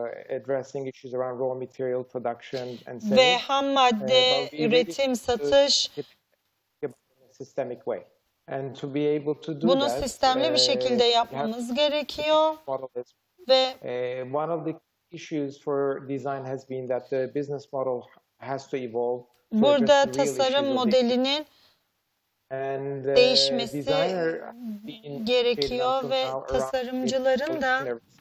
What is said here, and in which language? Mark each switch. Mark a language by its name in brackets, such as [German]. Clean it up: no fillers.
[English] Addressing issues around raw material production and [Turkish] ve ham madde üretim satış [English] systemic way. And to be able to do [Turkish] bunu sistemli bir şekilde yapmamız gerekiyor ve [English] one of the issues for design has been that the business model has to evolve. [Turkish] Burada tasarım modelinin değişmesi gerekiyor ve tasarımcıların da